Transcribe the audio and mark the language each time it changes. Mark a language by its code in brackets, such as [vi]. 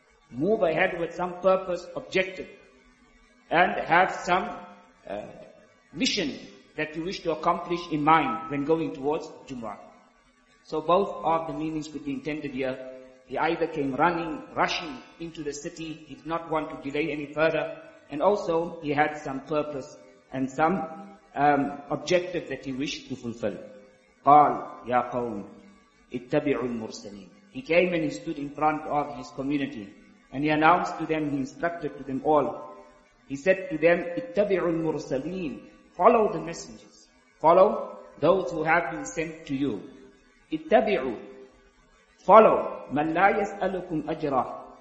[en] Move ahead with some purpose, objective, and have some mission that you wish to accomplish in mind when going towards Jumu'ah. So both of the meanings could be intended here He either came running, rushing into the city. He did not want to delay any further. And also, he had some purpose and some objective that he wished to fulfill. [ar] قال يا قوم اتبعوا المرسلين. [en] He came and he stood in front of his community. And he announced to them, he instructed to them all. He said to them, [ar] اتبعوا المرسلين. [en] Follow the messengers. Follow those who have been sent to you. [ar] اتبعوا. [en] Follow. [ar] من لا يسألكم أجرا.